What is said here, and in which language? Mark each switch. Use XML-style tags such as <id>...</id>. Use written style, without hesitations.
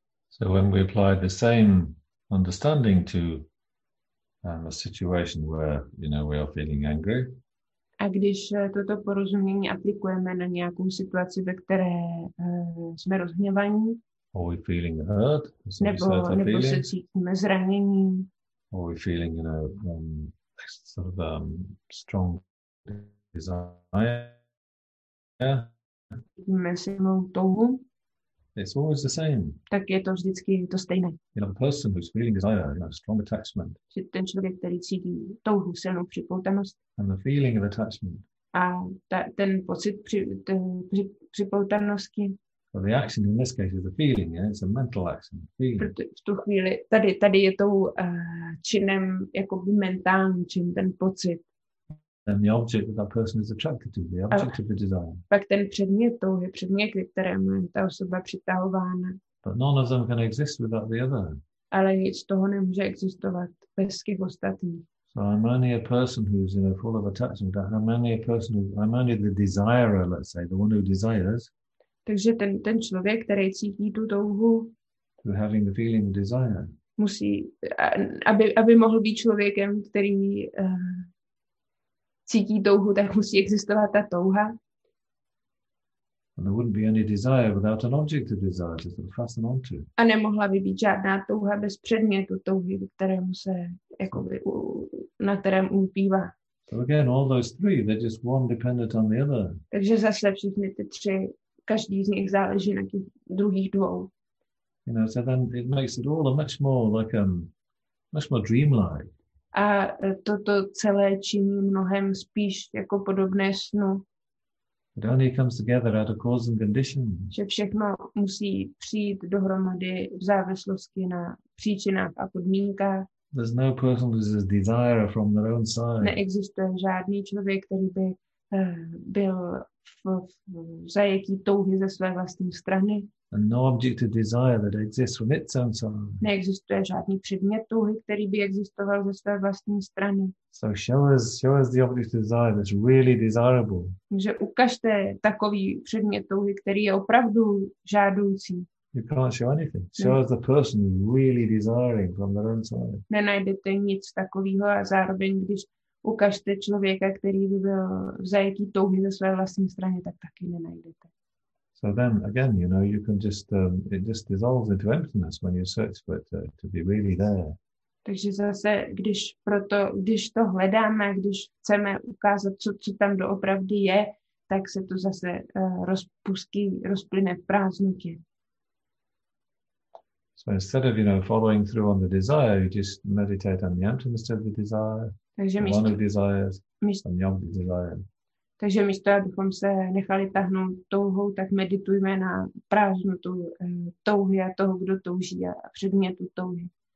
<en>So when we apply the same understanding to a situation where, you know, we are feeling angry.</en> <cs>A když toto porozumění aplikujeme na nějakou situaci, ve které jsme rozhněvaní.</cs> <en>Are we feeling hurt?</en> <cs>Nebo se cítíme zranění.</cs> <en>Are we feeling, you know, sort of strong desire? Yeah.</en> <cs>Cítíme silnou touhu.</cs> <en>It's always the same.</en> <cs>Tak je to vždycky to stejné.</cs> <en>You know, the person who's feeling desire, you know, strong attachment.</en> <cs>Ten člověk, který cítí touhu, silnou připoutanost.</cs> <en>And the feeling of attachment.</en> <cs>A ten pocit připoutanosti.</cs> <en>So the action in this case is the feeling, yeah? It's a mental action.</en> <cs>V tu chvíli, tady je tou činem, jakoby mentální čin, ten pocit.</cs> <en>And the object that that person is attracted to, the object of the desire.</en> <cs>Pak ten předmět touhy, předmět, kterému je ta osoba přitahována.</cs> <en>But none of them can exist without the other.</en> <cs>Ale nic z toho nemůže existovat bez těch ostatních.</cs> <en>So I'm only a person who's, you know, full of attachment. I'm only the desirer, let's say, the one who desires.</en> <cs>Takže ten člověk, který cítí tu touhu.</cs> <en>To having the feeling of desire.</en> <cs>Musí, aby mohl být člověkem, který cítí touhu, tak musí existovat ta touha.</cs> <en>And there wouldn't be any desire without an object of desire to sort of fasten onto.</en> <cs>A nemohla by být žádná touha bez předmětu touhy, kterému se jakoby, na kterém upívá.</cs> <en>So again, all those three, they're just one dependent on the other.</en> <cs>Takže zase všechny ty tři, každý z nich záleží na těch druhých dvou.</cs> <en>You know, so then it makes it all a much more like much more dreamlike.</en> <cs>A toto celé činí mnohem spíš jako podobné snu.</cs> <en>It only comes together out of cause and condition.</en> <cs>Že všechno musí přijít dohromady v závislosti na příčinách a podmínkách.</cs> <en>There's no person who's a desire from their own side.</en> <cs>Neexistuje žádný člověk, který by byl v zajetí touhy ze své vlastní strany.</cs> <en>And no object of desire that exists from its own side.</en> <cs>Neexistuje žádný předmět touhy, který by existoval ze své vlastní strany.</cs> <en>So show us the object of desire that's really desirable.</en> <cs>Takže ukažte takový předmět touhy, který je opravdu žádoucí.</cs> <en>You can't show anything. Show us the person really desiring from their own side.</en> <cs>Nenajdete nic takového a zároveň, když ukažte člověka, který by byl v zajetí touhy ze své vlastní strany, tak taky nenajdete.</cs> <en>So then again, you know, you can just it just dissolves into emptiness when you search for it to be really there.</en> <cs>Takže zase, když to hledáme, když chceme ukázat, co tam doopravdy je, tak se to zase rozplyne v prázdnotě.</cs> <en>So instead of, you know, following through on the desire, you just meditate on the emptiness of the desire,</en> <cs>takže</cs> <en>the one of desires, and the object of desire.</en> <cs>Takže místo, abychom se nechali tahnout touhou, tak meditujme na prázdnotu touhy a toho, kdo touží a předmětu touhy.</cs>